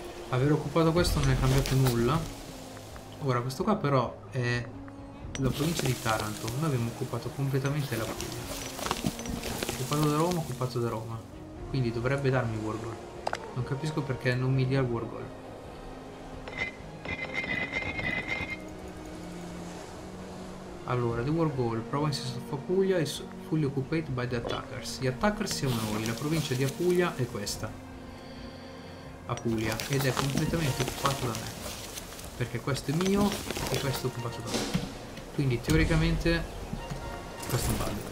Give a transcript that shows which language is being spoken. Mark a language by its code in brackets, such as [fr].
[it] Aver occupato questo non è cambiato nulla. Ora, questo qua però è la provincia di Taranto. Noi abbiamo occupato completamente la Puglia. Occupato da Roma, occupato da Roma. Quindi dovrebbe darmi Wargol. Non capisco perché non mi dia Wargol. [en] Allora, the Wargol, province of Apulia is fully occupied by the attackers. [it] Gli attackers siamo noi, la provincia di Apulia è questa. Apulia, ed è completamente occupato da me. Perché questo è mio e questo è occupato da me. Quindi, teoricamente, questo è un bug.